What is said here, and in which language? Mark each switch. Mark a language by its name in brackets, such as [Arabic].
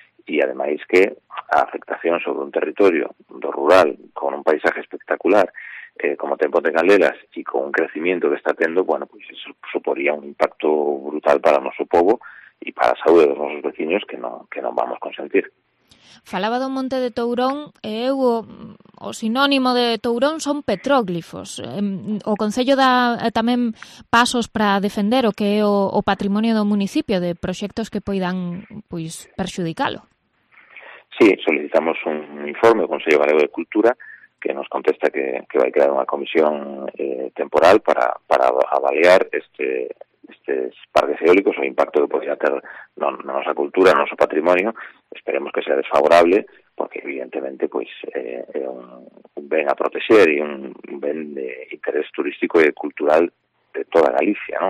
[Galician] E, ademais, que a afectación sobre un territorio do rural con un paisaje espectacular como Tempo de Caldelas e con un crecimiento que está tendo, bueno, pues eso suporía un impacto brutal para o noso povo e para a saúde dos nosos veciños que non vamos consentir. Falaba do Monte de Tourón, e eu o sinónimo de Tourón son petróglifos. O Concello dá tamén pasos para defender o que é o patrimonio do municipio, de proxectos que poidan pois perxudicalo. Sí, solicitamos un informe ao Concello Galego de Cultura [Spanish] que nos contesta que va a crear una comisión temporal para avaliar estos parques eólicos, el impacto que podría tener en nuestra cultura, en nuestro patrimonio. Esperemos que sea desfavorable, porque evidentemente pues un bien a proteger y un bien de interés turístico y cultural de toda Galicia, ¿no?